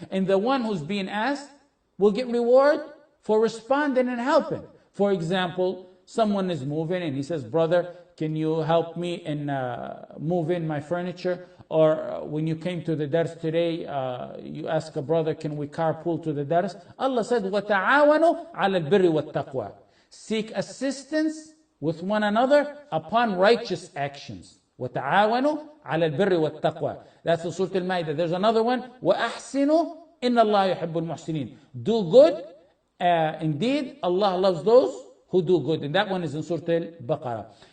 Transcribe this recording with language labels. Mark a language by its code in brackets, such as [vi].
[en] And the one who's being asked will get reward for responding and helping. For example, someone is moving and he says, "Brother, can you help me in moving my furniture?" Or when you came to the dars today, you ask a brother, "Can we carpool to the dars?" Allah said, [ar] "وَتَعَاوَنُوا عَلَى الْبِرِّ وَالتَّقْوَى." [en] Seek assistance with one another upon righteous actions. [ar] وَتَعَاوَنُوا عَلَى الْبِرِّ وَالتَّقْوَى. [en] That's the Surah Al-Ma'idah. There's another one. [ar] وَأَحْسِنُوا إِنَّ اللَّهَ يُحِبُّ الْمُحْسِنِينَ. [en] Do good. Indeed, Allah loves those who do good. And that one is in Surah Al-Baqarah.